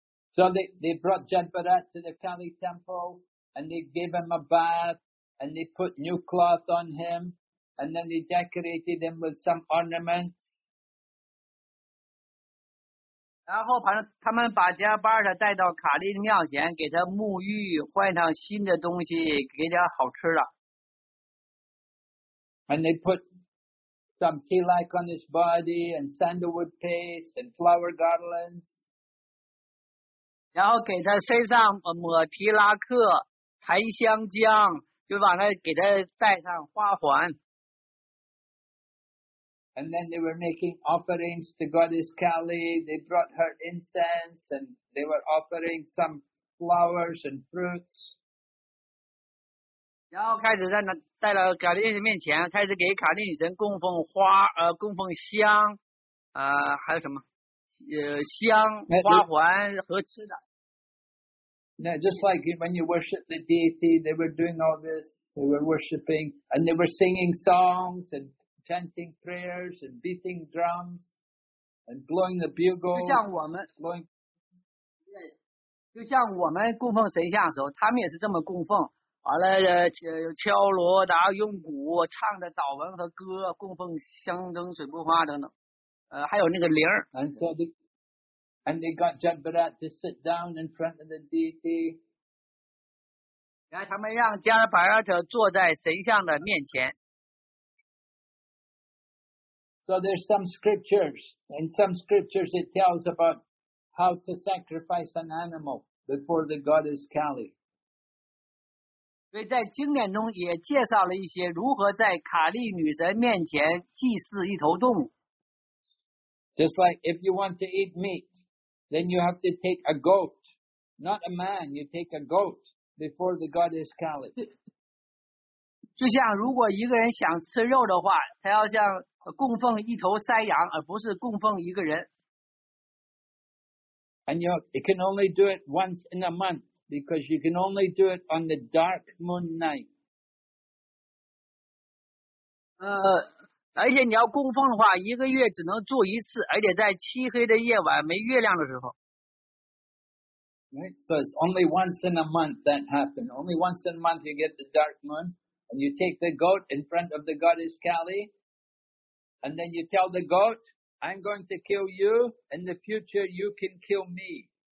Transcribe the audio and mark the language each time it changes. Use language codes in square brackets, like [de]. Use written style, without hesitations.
[en] So they brought Jadbarat to the Kali temple, and they gave him a bath, and they put new cloth on him. And then they decorated him with some ornaments. [zh] 然后他们把加巴尔特带到卡利的庙前，给他沐浴，换上新的东西，给点好吃的。 [en] And they put some tea-like on his body and sandalwood paste and flower garlands. [zh] 然后给他身上抹提拉克、檀香浆，就把他给他戴上花环。 [en] And then they were making offerings to Goddess Kali. They brought her incense and they were offering some flowers and fruits. [zh] 然后开始在那带到卡利女神面前，开始给卡利女神供奉花，供奉香，还有什么？香、花环和吃的。 [en] Now, just like when you worship the deity, they were doing all this. They were worshiping and they were singing songs and. Chanting prayers and beating drums and blowing the bugle. [zh] 就像我们 就像我们供奉神像的时候，他们也是这么供奉。完了，敲锣打用鼓，唱的祷文和歌，供奉香灯、水木花等等。还有那个铃。 [en] And so they got Jadbarat to sit down in front of the deity. [zh] 然后他们让加尔巴尔特坐在神像的面前。 [en] So there's some scriptures. In some scriptures, it tells about how to sacrifice an animal before the goddess Kali. [zh] 所以在经典中也介绍了一些如何在卡利女神面前祭祀一头动物。 [en] Just like if you want to eat meat, then you have to take a goat, not a man. You take a goat before the goddess Kali. [zh] 就像如果一个人想吃肉的话，他要像供奉一头山羊，而不是供奉一个人。 [en] And you can only do it once in a month because you can only do it on the dark moon night. [zh] 而且你要供奉的话，一个月只能做一次，而且在漆黑的夜晚没月亮的时候。 [en] Right, so it's only once in a month that happened. Only once in a month you get the dark moon, and you take the goat in front of the goddess Kali. And then you tell the goat, I'm going to kill you, in the future you can kill me.